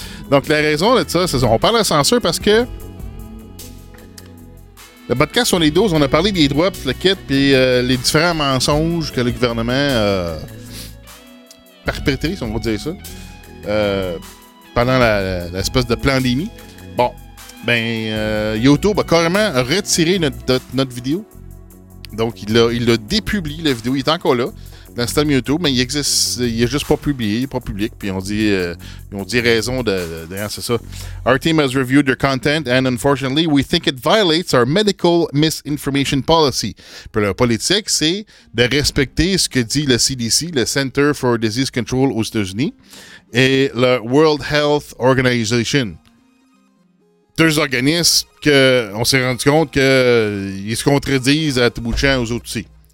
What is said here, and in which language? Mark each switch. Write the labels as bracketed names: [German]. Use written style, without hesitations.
[French] Donc, la raison de ça, c'est qu'on parle de censure parce que le podcast sur les doses, on a parlé des droits, puis le kit, puis les différents mensonges que le gouvernement perpétrait, si on va dire ça, pendant l'espèce de pandémie. Bon, ben, YouTube a carrément retiré notre vidéo. Donc, il a dépublié la vidéo. Il est encore là. Dans le YouTube, mais il existe, il est juste pas publié, il est pas public, puis on dit raison de c'est ça. [English] Our team has reviewed your content, and unfortunately, we think it violates our medical misinformation policy. [French] Pour la politique, c'est de respecter ce que dit le CDC, le Center for Disease Control aux États-Unis, et la World Health Organization. Deux organismes qu'on s'est rendu compte qu'ils se contredisent à tout bout de champ aux autres aussi.